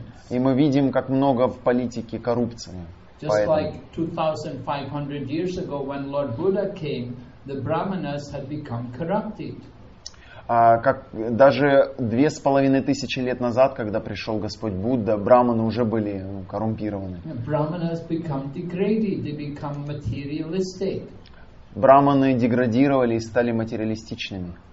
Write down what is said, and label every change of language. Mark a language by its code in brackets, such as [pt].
[ru] И мы видим, как много в политике коррупции. [en] Just like 2500 years ago, when Lord Buddha came, the brahmanas had become corrupted. [ru] Как даже 2500 лет назад, когда пришел Господь Будда, брахманы уже были коррумпированы. [en] Brahmanas become degraded, they become materialistic. [ru] Брахманы деградировали и стали материалистичными.